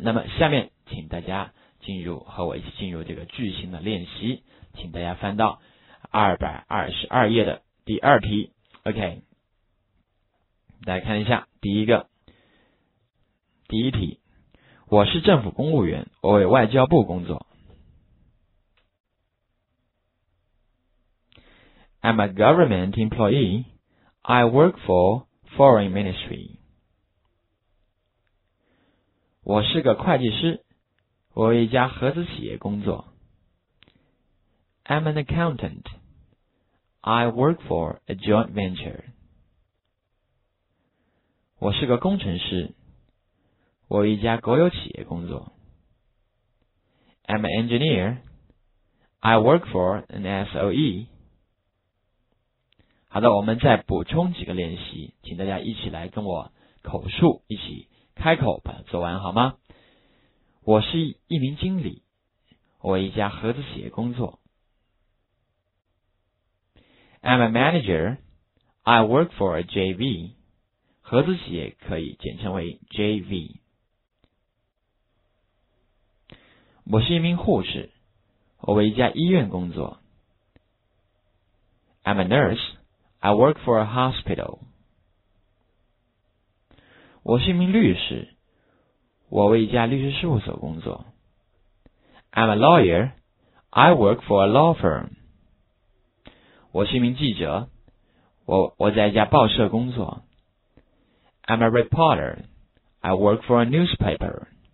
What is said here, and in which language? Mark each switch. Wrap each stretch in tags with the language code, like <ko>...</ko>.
<zh>那么下面请大家进入，和我一起进入这个句型的练习，请大家翻到222页的第二题。 OK， 大家看一下第一个，第一题，我是政府公务员，我为外交部工作。</zh> <en>I'm a government employee, I work for foreign ministry.</en> <zh>我是个会计师，我为一家合资企业工作。</zh> <en>I'm an accountant, I work for a joint venture.</en> <zh>我是个工程师，我一家国有企业工作。</zh> <en>I'm an engineer, I work for an SOE.</en> <zh>好的，我们再补充几个练习，请大家一起来跟我口述，一起开口把它做完好吗？我是一名经理，我一家合资企业工作。</zh> <en>I'm a manager, I work for a JV.</en> <zh>合资企业可以简称为 JV。我是一名护士，我为一家医院工作。</zh> <en>I'm a nurse, I work for a hospital.</en> <zh>我是一名律师，我为一家律师事务所工作。</zh> <en>I'm a lawyer, I work for a law firm.</en> <zh>我是一名记者，我在一家报社工作。</zh> <en>I'm a reporter, I work for a newspaper.</en>